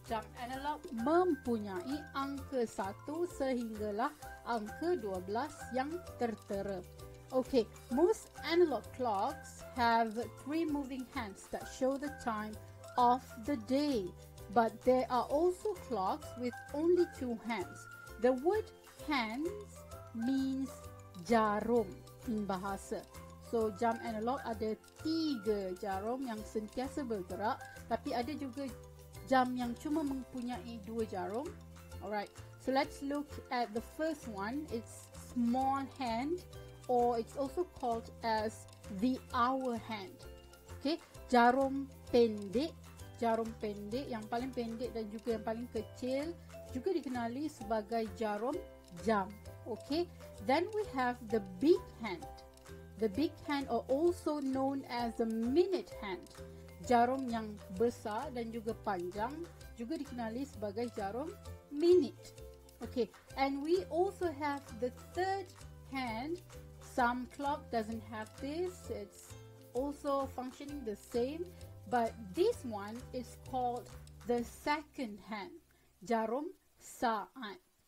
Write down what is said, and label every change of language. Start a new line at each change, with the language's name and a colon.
Malay: Dan analog mempunyai angka 1 sehinggalah angka 12 yang tertera.
English: Okay, most analog clocks have 3 moving hands that show the time of the day. But there are also clocks with only 2 hands. The word hands means jarum in bahasa.
Malay: So, jam analog ada 3 jarum yang sentiasa bergerak. Tapi ada juga jam yang cuma mempunyai 2 jarum.
English: Alright, so let's look at the first one. It's small hand, or it's also called as the hour hand.
Malay: Okay, jarum pendek. Jarum pendek, yang paling pendek dan juga yang paling kecil, juga dikenali sebagai jarum jam.
English: Okay, then we have the big hand. The big hand, or also known as the minute hand.
Malay: Jarum yang besar dan juga panjang, juga dikenali sebagai jarum minute.
English: Okay, and we also have the third hand. Some clock doesn't have this, it's also functioning the same. But this one is called the second hand,
Malay: jarum saat.